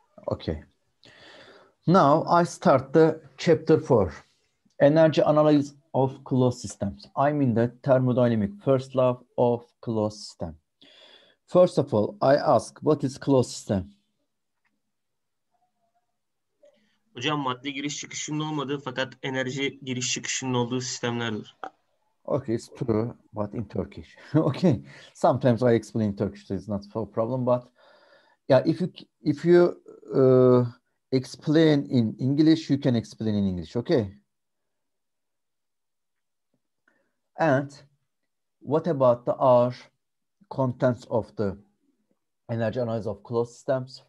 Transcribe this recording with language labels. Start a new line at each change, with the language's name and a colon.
English: Okay. Now I start the chapter 4. Energy analysis of closed systems. I mean the thermodynamic first law of closed system. First of all, I ask, what is closed system?
Turkish: Hocam, madde giriş çıkışının olmadığı fakat enerji giriş çıkışının olduğu sistemlerdir.
English: Okay, it's true, but in Turkish. Okay. Sometimes I explain in Turkish, so it's not a problem, but yeah, if you explain in English, you can explain in English, okay? And what about the R contents of the energy analysis of closed systems?